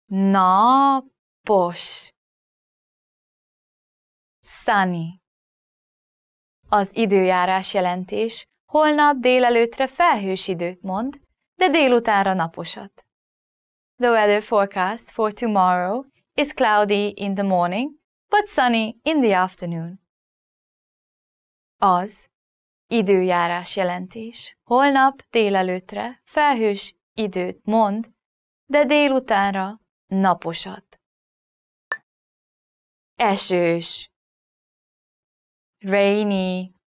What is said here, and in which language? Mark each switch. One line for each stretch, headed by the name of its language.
Hungarian: Napos.
English: Sunny.
Hungarian: Az időjárás jelentés holnap délelőtre felhős időt mond, de délutánra naposat.
English: The weather forecast for tomorrow is cloudy in the morning, but sunny in the afternoon.
Hungarian: Az időjárás jelentés holnap délelőtre felhős időt mond, de délutánra naposat. Esős.
English: Rainy.